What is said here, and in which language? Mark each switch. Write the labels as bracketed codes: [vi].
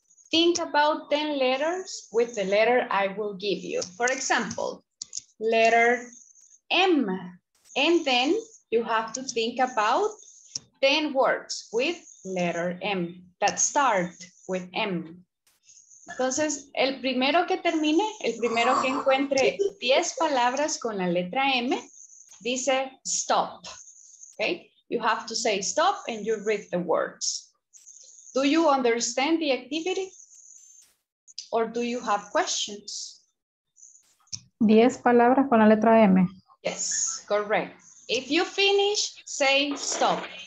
[en] Think about 10 letters with the letter I will give you. For example, letter M. And then you have to think about 10 words with letter M that start with M. [es] Entonces, el primero que termine, el primero que encuentre 10 palabras con la letra M, dice stop, okay? [en] You have to say stop and you read the words. Do you understand the activity? Or do you have questions? [es] 10 palabras con la letra M. [en] Yes, correct. If you finish, say stop.